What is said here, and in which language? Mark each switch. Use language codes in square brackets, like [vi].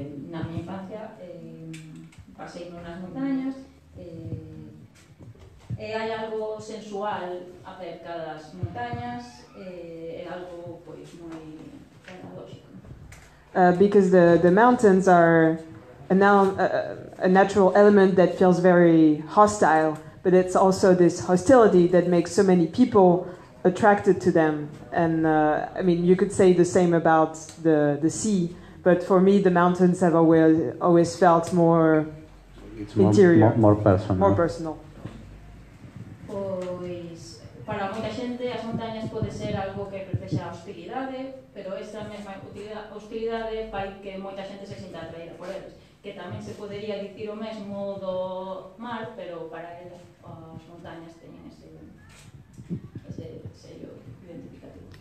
[gl] Na miña infancia pasei nunhas montañas e hai algo sensual acerca das montañas, é algo pois moi paradoxico. [en] Because the mountains are a natural element that feels very hostile, but it's also this hostility that makes so many people attracted to them. And I mean, you could say the same about the sea. But for me, the mountains have always felt more interior, more personal. More personal. [es] Pues para mucha gente las montañas puede ser algo que refleja hostilidad, pero esa misma hostilidad hay que mucha gente se sienta atraída por ellas. Que también se podría decir lo mismo do mar, pero para él las montañas tienen ese, ese sello identificativo.